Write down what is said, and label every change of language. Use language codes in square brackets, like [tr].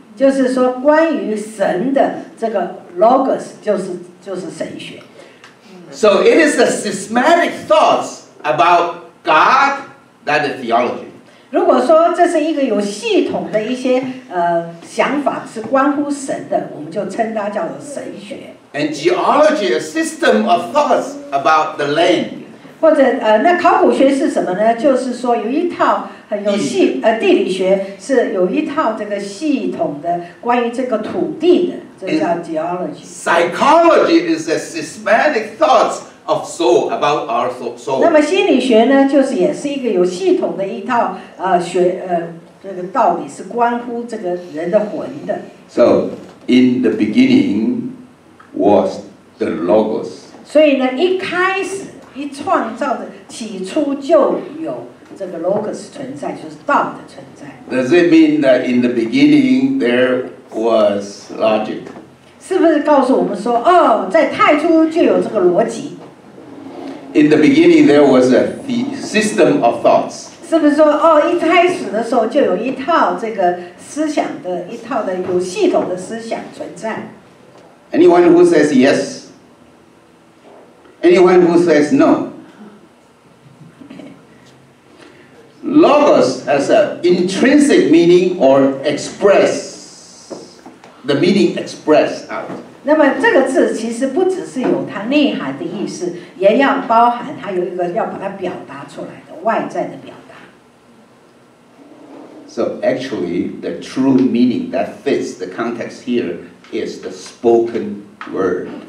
[zh] 就是说关于神的这个 logos 就是神学。 [en] So it is the systematic thoughts. About God, that is theology. [zh] 如果说这是一个有系统的一些想法是关乎神的，我们就称它叫做神学。 [en] And geology, a system of thoughts about the land. [zh] 或者那考古学是什么呢？就是说有一套很有系地理学是有一套这个系统的关于这个土地的，这叫 geology. [en] Psychology is a systematic thoughts. Of soul about our soul. [zh] 那么心理学呢，就是也是一个有系统的一套学这个道理是关乎这个人的魂的。 [en] So in the beginning was the logos. [zh] 所以呢，一开始一创造的起初就有这个 logos 存在，就是道的存在。 [en] Does it mean that in the beginning there was logic? [zh] 是不是告诉我们说，哦，在太初就有这个逻辑？ [en] In the beginning, there was a system of thoughts. [zh] 是不是说哦，一开始的时候就有一套这个思想的一套的有系统的思想存在 [en] ？Anyone who says yes? Anyone who says no? Logos has an intrinsic meaning or express the meaning expressed out. [zh] 那么这个字其实不只是有它内涵的意思，也要包含它有一个要把它表达出来的外在的表达。 [en] So actually, the true meaning that fits the context here is the spoken word.